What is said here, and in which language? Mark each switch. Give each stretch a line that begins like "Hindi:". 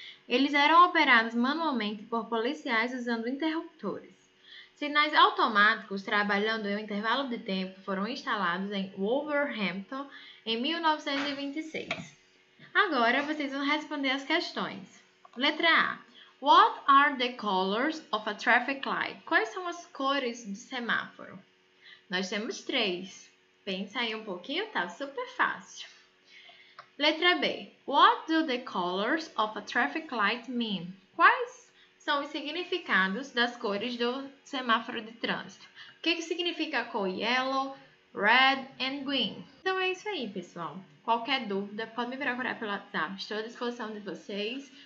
Portuguese: Eles eram operados manualmente por policiais usando interruptores. Sinais automáticos trabalhando em um intervalo de tempo foram instalados em Wolverhampton em 1926. Agora vocês vão responder as questões. Letra A.
English: What are the colors of a traffic light?
Portuguese: Quais são as cores do semáforo? Nós temos três. Pensa aí um pouquinho, tá super fácil. Letra B.
English: What do the colors of a traffic light mean?
Portuguese: Quais são os significados das cores do semáforo de trânsito? O que significa a cor
English: yellow, red and green?
Portuguese: Então é isso aí, pessoal. Qualquer dúvida, pode me procurar pelo WhatsApp. Estou à disposição de vocês.